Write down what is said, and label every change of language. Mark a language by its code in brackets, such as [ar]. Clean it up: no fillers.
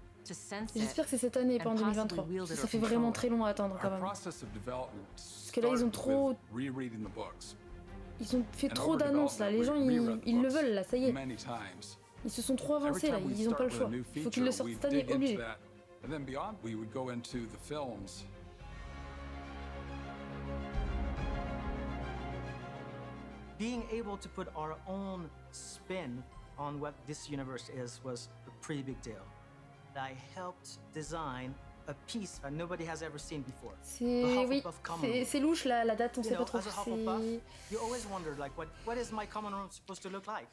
[fr] J'espère que c'est cette année et pas en 2023. Ça fait vraiment très long à attendre quand même. Parce que là, ils ont trop... Ils ont fait trop d'annonces là. Les gens, ils le veulent là, ça y est. Ils se sont trop avancés là, ils ont pas le choix. Il faut qu'ils le sortent cette année, obligé. Et puis, [en] beyond, we would go into the films. Being able to put our own spin on what this universe is was a pretty big deal. I helped design a piece that nobody has ever seen before. [fr] C'est louche la date, on sait pas trop. [en] You always wondered like what is my common room supposed to look like?